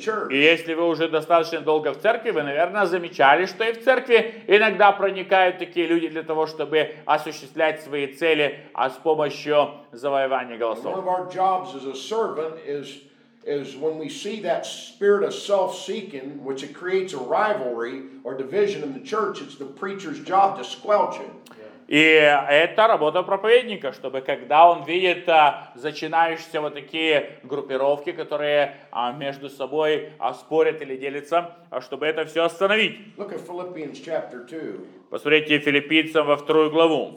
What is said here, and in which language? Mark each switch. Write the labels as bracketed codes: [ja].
[ru] И если вы уже достаточно долго в церкви, вы, наверное, замечали, что и в церкви иногда проникают такие люди для того, чтобы осуществлять свои цели с помощью завоевания голосов. [en] One of our jobs as a servant is when we see that spirit of self-seeking, which it creates a rivalry or division in the church, it's the preacher's job to squelch it. [ru] И это работа проповедника, чтобы когда он видит начинающиеся вот такие группировки, которые между собой спорят или делятся, чтобы это все остановить. [en] Look at Philippians chapter 2. [ru] Посмотрите Филиппийцам во вторую главу.